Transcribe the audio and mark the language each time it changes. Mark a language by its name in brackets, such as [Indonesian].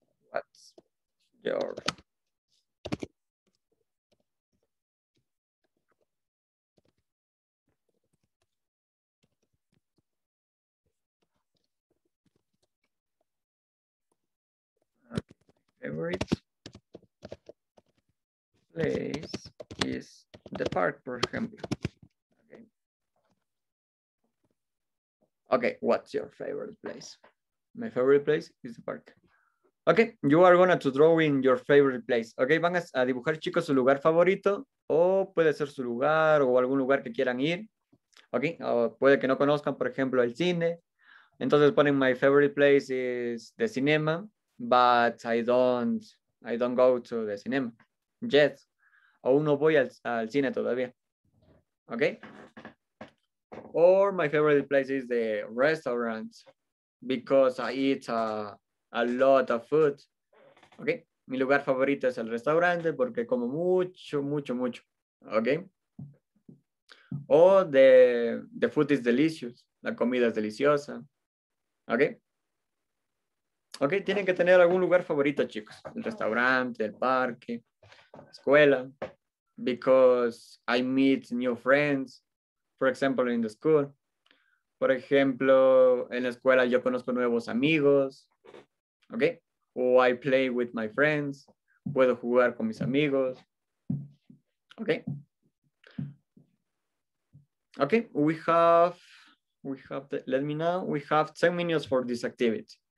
[English] What's your favorite place is the park, for example. Okay, what's your favorite place? My favorite place is the park. Okay, you are going to draw in your favorite place. [Spanish] Okay, van a dibujar, chicos, su lugar favorito, o puede ser su lugar o algún lugar que quieran ir. Okay, o puede que no conozcan, por ejemplo, el cine. Entonces ponen [English] my favorite place is the cinema. But I don't go to the cinema yet. [Spanish] Aún no voy al cine todavía. [English] Okay. Or my favorite place is the restaurant because I eat a lot of food. Okay. [Spanish] Mi lugar favorito es el restaurante porque como mucho, mucho, mucho. [English] Okay. Or the food is delicious. [Spanish] La comida es deliciosa. Okay. Ok, tienen que tener algún lugar favorito, chicos. El restaurante, el parque, la escuela. [English] Because I meet new friends, for example, in the school. [Spanish] Por ejemplo, en la escuela yo conozco nuevos amigos. Ok, o [English] I play with my friends. [Spanish] Puedo jugar con mis amigos. Ok. [English] Ok, we have 10 minutes for this activity.